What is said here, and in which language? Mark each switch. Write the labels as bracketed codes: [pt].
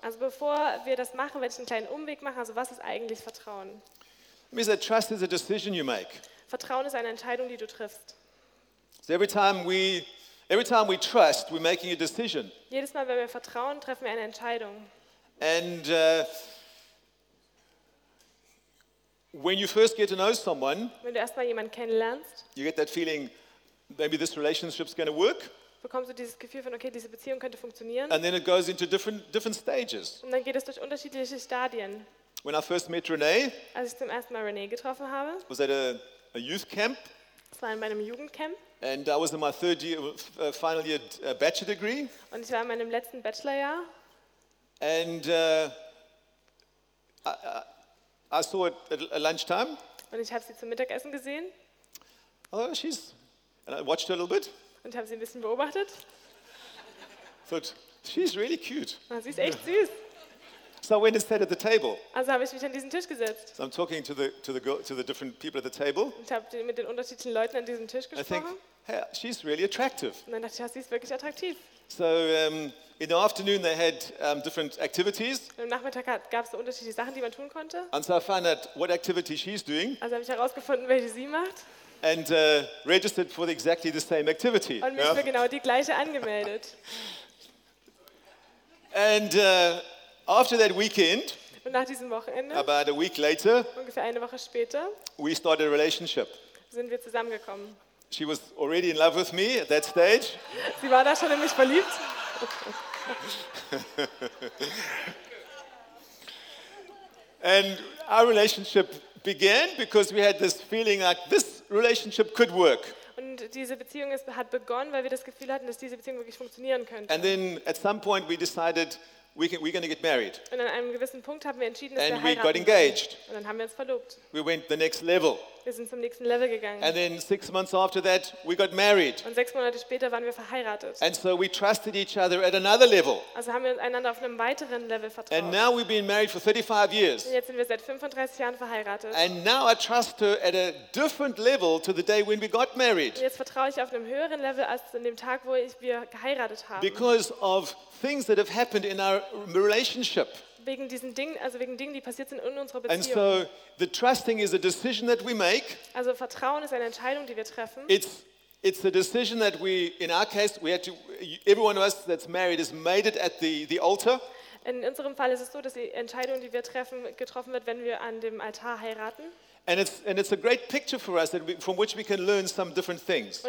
[de] Also bevor wir das machen, werde ich einen kleinen Umweg machen, also was ist eigentlich Vertrauen? [en] It means that trust is a decision you make. [de] Vertrauen ist eine Entscheidung, die du triffst. [en] So every time we trust, we're making a decision. [de] Jedes Mal, wenn wir vertrauen, treffen wir eine Entscheidung. [en] And when you first get to know someone, [de] wenn du erstmal jemanden kennenlernst, [en] you get that feeling, maybe this relationship's going to work. [de] Bekommst du dieses Gefühl von, okay, diese Beziehung könnte funktionieren. [en] And then it goes into different stages. [de] Und dann geht es durch unterschiedliche Stadien. [en] When I first met Renee, [de] als ich zum ersten Mal Renee getroffen habe, [en] was at a youth camp. [de] Es war in meinem Jugendcamp. [en] And I was in my third year, final year bachelor degree. [de] Und ich war in meinem letzten Bachelorjahr. [en] And I saw it at lunchtime. [de] Und ich habe sie zum Mittagessen gesehen. [en] Oh, she's. And I watched her a little bit. [de] Und habe sie ein bisschen beobachtet. [en] Thought she's really cute. [de] Oh, sie ist echt süß. [en] So I went and sat at the table. [de] Also habe ich mich an diesen Tisch gesetzt. [en] So I'm talking to the different people at the table. [de] Und habe mit den unterschiedlichen Leuten an diesem Tisch gesprochen. [en] Hey, she's really attractive. [de] Und dann dachte ich, ja, sie ist wirklich attraktiv. [en] So in the afternoon they had different activities. [de] Und am Nachmittag gab es so unterschiedliche Sachen, die man tun konnte. [en] And so I found out what activity she's doing. [de] Also habe ich herausgefunden, welche sie macht. [en] And registered for exactly the same activity. [de] Und mich für genau die gleiche angemeldet. [en] And after that weekend, [de] und nach diesem Wochenende, [en] about a week later, [de] ungefähr eine Woche später, [en] we started a relationship. [de] Sind wir zusammengekommen. [en] She was already in love with me at that stage. [de] Sie war da schon in mich verliebt. [en] And our relationship began because we had this feeling like this relationship could work. [de] Und diese Beziehung hat begonnen, weil wir das Gefühl hatten, dass diese Beziehung wirklich funktionieren könnte. [en] And then at some point we decided we're going to get married. [de] Und an einem gewissen Punkt haben wir entschieden, dass [en] and [de] wir heiraten. [en] And we got engaged. [de] Und dann haben wir uns verlobt. [en] We went the next level. [de] Wir sind zum nächsten Level gegangen. [en] And then 6 months after that, we got married. [de] Und 6 Monate später waren wir verheiratet. [en] And so we trusted each other at another level. [de] Also haben wir uns einander auf einem weiteren Level vertraut. [en] And now we've been married for 35 years. [de] Und jetzt sind wir seit 35 Jahren verheiratet. [en] And now I trust her at a different level to the day when we got married. [de] Und jetzt vertraue ich auf einem höheren Level als an dem Tag, wo wir geheiratet haben. [en] Because of things that have happened in our relationship. [de] Wegen diesen Dingen, also wegen Dingen, die passiert sind in unserer Beziehung. [en] And so the trusting is a decision that we make. [de] Also Vertrauen ist eine Entscheidung, die wir treffen. [en] It's a decision that we, in our case, we had to, every one of us that's married has made it at the altar. [de] In unserem Fall ist es so, dass die Entscheidung, die wir treffen, getroffen wird, wenn wir an dem Altar heiraten. [en] And it's a great picture for us that from which we can learn some different things.